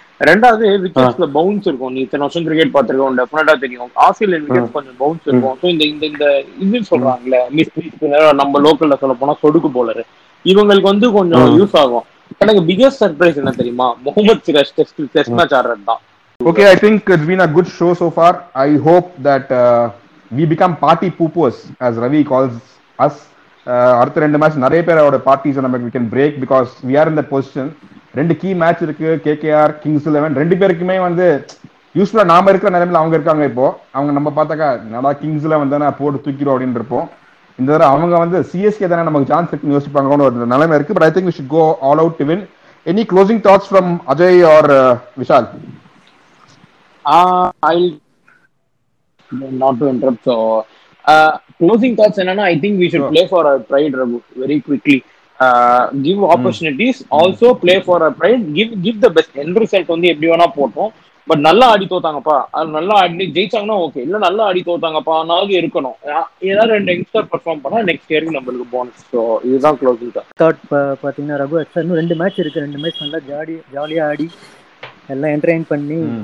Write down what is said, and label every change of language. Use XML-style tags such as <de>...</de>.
<ta>ரெண்டாவது விக்கெட்ஸ்ல பவுன்ஸ் இருக்கும், நீ இத்தனை வருஷம் கிரிக்கெட் பார்த்துருக்கோம் டெஃபினட்டா தெரியும் ஆஸ்திரேலியன் விக்கெட் கொஞ்சம் பவுன்ஸ் இருக்கும். ஸோ இந்த இது சொல்றாங்களே மிஸ் ஸ்பின்னர், நம்ம லோக்கல்ல சொல்ல போனா சொடுக்கு போலர், இவங்களுக்கு வந்து கொஞ்சம் யூஸ் ஆகும். எனக்கு பிகெஸ்ட் சர்ப்ரைஸ் என்ன தெரியுமா, முகமது சிராஜ் டெஸ்ட் மேட்ச் ஆடுறது தான்.</ta> <en>Okay, I think it's been a good show so far. I hope that we become party poopers, as Ravi calls us.</en> <ta>அடுத்த ரெண்டு மேட்ச் நிறைய பேரோட பார்ட்டிஸ் நமக்கு</ta> <en>We can break because we are in the position.</en> <ta>ரெண்டு key match இருக்கு, KKR Kings eleven, ரெண்டு பேருக்குமே வந்து யூஸ்ஃபுல்லா நாம இருக்கிற நிலைமையில அவங்க இருக்காங்க. இப்போ அவங்க நம்ம பார்த்தாக்கா நல்லா கிங்ஸ் இலவன் தானே போட்டு தூக்கிடும் அப்படின்னு இருப்போம். இந்த தடவை அவங்க வந்து சிஎஸ்கே தானே நமக்கு சான்ஸ் இருக்குன்னு யோசிப்பாங்கன்னு ஒரு நிலைமை இருக்கு.</ta> <en>But I think we should go all out to win. Any closing thoughts from Ajay or Vishal? I'll not to interrupt. So, closing thoughts, Enana, I think we should play for our pride very quickly. Give opportunities, also play for our pride. Give the best end result on the everyone up.</en> <ta>But நல்லா ஆடி தோத்தாங்கப்பா, நல்லா ஆடி ஜெயிச்சாங்கன்னா okay, இல்ல நல்லா ஆடி தோத்தாங்கப்பா நாளைக்கு இருக்கணும், ஏதாவது ரெண்டு youngster perform பண்ணா</ta> <en>next இயருக்கு</en> <ta>நம்மளுக்கு போனஸ். சோ இதுதான் க்ளோசிங் தாட் பாத்தீங்கன்னா ரகு. இன்னும் ரெண்டு மேட்ச் இருக்கு, ரெண்டு மேட்ச் நல்லா ஜாலியா ஆடி எல்லாம் என்டர்டெயின் பண்ணி</ta>